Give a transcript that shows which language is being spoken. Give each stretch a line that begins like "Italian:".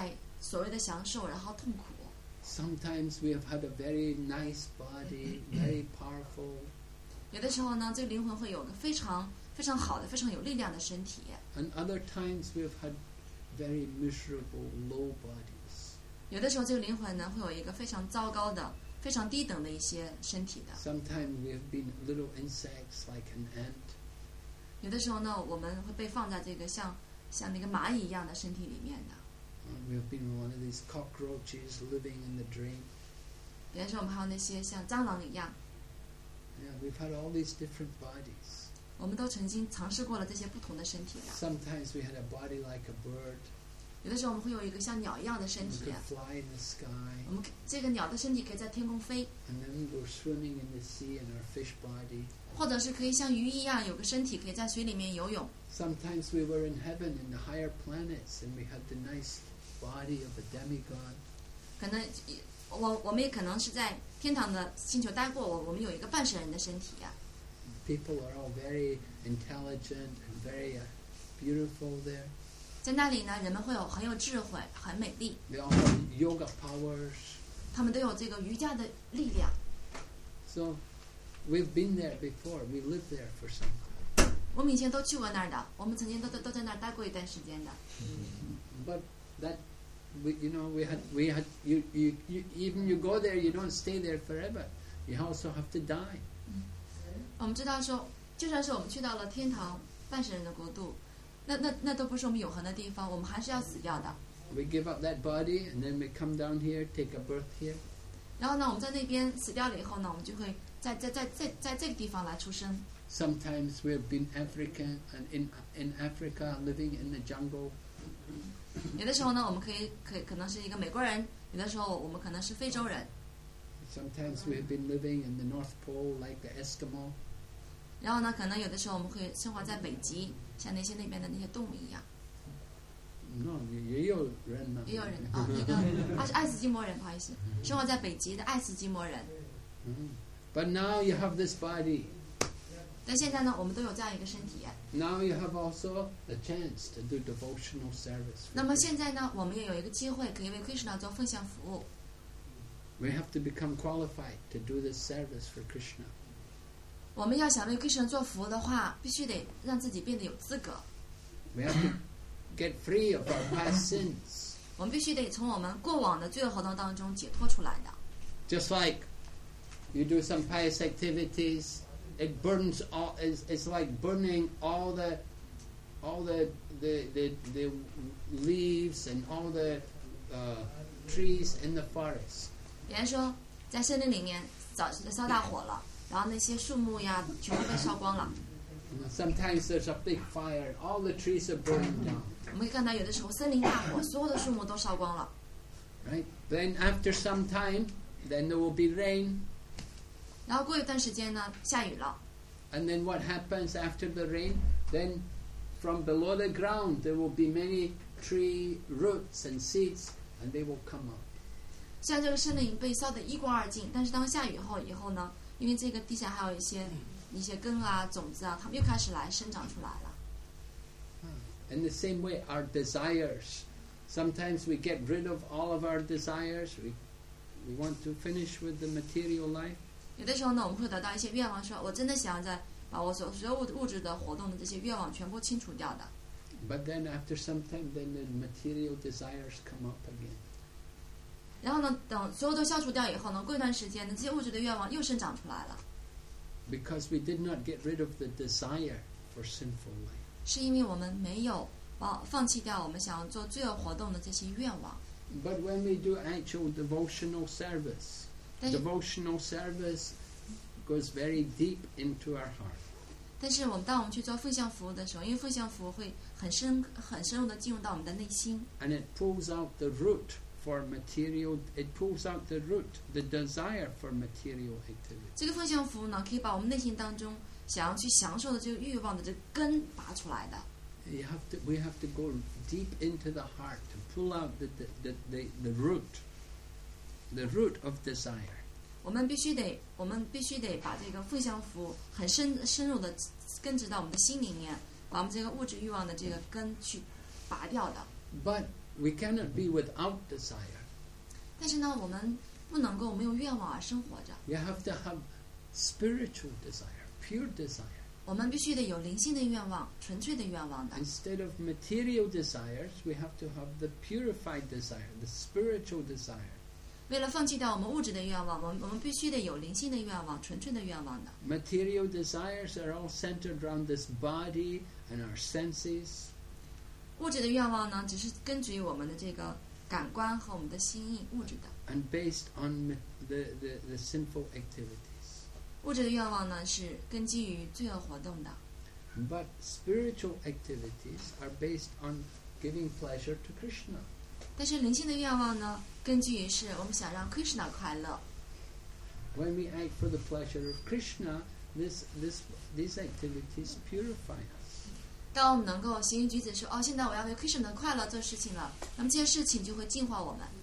Chinese: 这个灵魂来到物质世界呢，以各种各样的形体呢，一直在所谓的享受，然后痛苦。
English: Sometimes we have had a very nice body, very powerful.
Chinese: 有的时候呢，这个灵魂会有个非常非常好的、非常有力量的身体。
English: And other times we have had very miserable, low bodies.
Chinese: 有的时候，这个灵魂呢，会有一个非常糟糕的、非常低等的一些身体的。
English: Sometimes we have been little insects like an ant.
Chinese: 有的时候呢，我们会被放在这个像那个蚂蚁一样的身体里面的。
English: We have been one of these cockroaches living in the dream.
Chinese: 别人说我们还有那些像蟑螂一样。
English: Yeah, we've had all these different bodies.
Chinese: 我们都曾经尝试过了这些不同的身体的。
English: Sometimes we had a body like a bird.
Chinese: 有的时候我们会有一个像鸟一样的身体。
English: We could fly in the sky.
Chinese: 我们这个鸟的身体可以在天空飞。
English: And then we're swimming in the sea in our fish body.
Chinese: 或者是可以像鱼一样有个身体可以在水里面游泳。
English: Sometimes we were in heaven in the higher planets and we had the nice body of a demigod.
Chinese: 可能我们也可能是在天堂的星球待过，我们有一个半神人的身体。
English: People are all very intelligent and very beautiful there.
Chinese: 在那里呢，人们会有很有智慧，很美丽。
English: They all have yoga powers.
Chinese: 他们都有这个瑜伽的力量。
English: So we've been there before. We lived there for some time.
Chinese: 我们以前都去过那儿的，我们曾经都在那儿待过一段时间的。
English: But that, you go there, you don't stay there forever. You also have to die.
Chinese: 我们知道说。就算是我们去到了天堂半神人的国度，那都不是我们永恒的地方，我们还是要死掉的。
English: We give up that body and then we come down here, take a birth here.
Chinese: 然后呢，我们在那边死掉了以后呢，我们就会在这个地方来出生。
English: Sometimes we have been African and in Africa living in the jungle.
Chinese: 有的时候呢，我们可以可能是一个美国人，有的时候我们可能是非洲人。
English: Sometimes we have been living in the North Pole like the Eskimo.
Chinese: 然后呢，可能有的时候我们会生活在北极，像那些那边的那些动物一样。
English: No,
Chinese: 也有人呢。也有人啊，一个他是爱斯基摩人，不好意思，生活在北极的爱斯基摩人。
English: But now you have this body.
Chinese: 但现在呢，我们都有这样一个身体。
English: Now you have also a chance to do devotional service.
Chinese: 那么现在呢，我们也有一个机会可以为 Krishna 做奉献服务。
English: We have to become qualified to do this service for Krishna.
Chinese: 我们要想为 Krishna 做服务的话，必须得让自己变得有资格。
English: We have to get free of our past sins.
Chinese: 我们必须得从我们过往的罪恶活动当中解脱出来的。
English: Just like you do some pious activities, it burns all. It's like burning all the leaves and all the trees in the forest.
Chinese: 比方说，在森林里面早就烧大火了，然后那些树木呀，全部被烧光了。
English: Sometimes there's a big fire. All the trees are burning down.
Chinese: 我们可以看到，有的时候森林大火，所有的树木都烧光了。
English: Right. Then after some time, then there will be rain.
Chinese: 然后过一段时间呢，下雨了。
English: And then what happens after the rain? Then from below the ground, there will be many tree roots and seeds, and they will come up.
Chinese: 虽然这个森林被烧得一干二净，但是当下雨后以后呢，因为这个地下还有一些根啊、种子啊，它们又开始来生长出来了。
English: In the same way, our desires. Sometimes we get rid of all of our desires. We want to finish with the material life.
Chinese: 有的时候呢，我们会得到一些愿望，说我真的想要在把我所有物质的活动的这些愿望全部清除掉的。
English: But then after some time, then the material desires come up again.
Chinese: 然后呢，等所有都消除掉以后呢，过一段时间，那些物质的愿望又生长出来了。
English: Because we did not get rid of the desire for sinful life.
Chinese: 是因为我们没有放弃掉我们想要做罪恶活动的这些愿望。
English: But when we do actual devotional service, devotional service goes very deep into our heart.
Chinese: 但是当我们去做奉献服务的时候，因为奉献服务会很深入的进入到我们的内心。
English: And it pulls out the root for material, it pulls out the root, the desire for material activity.
Chinese: 这个奉献服务呢，可以把我们内心当中想要去享受的这个欲望的这个根拔出来的。
English: We have to go deep into the heart to pull out the root of desire.
Chinese: 我们必须得把这个奉献服务很深入的根植到我们的心里面，把我们这个物质欲望的这个根去拔掉的。
English: But we cannot be without desire.
Chinese: 但是呢，我们不能够没有愿望而生活着。
English: You have to have spiritual desire, pure desire.
Chinese: 我们必须得有灵性的愿望，纯粹的愿望的。
English: Instead of material desires, we have to have the purified desire, the spiritual desire.
Chinese: 为了放弃掉我们物质的愿望，我们必须得有灵性的愿望，纯粹的愿望的。
English: Material desires are all centered around this body and our senses.
Chinese: 物质的愿望呢，只是根植于我们的这个感官和我们的心意，物质的。
English: And based on the sinful activities.
Chinese: 物质的愿望呢，是根基于罪恶活动的。
English: But spiritual activities are based on giving pleasure to Krishna.
Chinese: 但是灵性的愿望呢，根基于是我们想让 Krishna 快乐。
English: When we act for the pleasure of Krishna, these activities purify us.
Chinese: 当我们能够行于举止说，现在我要为 Krishna 的快乐做事情了，那么这些事情就会净化我们。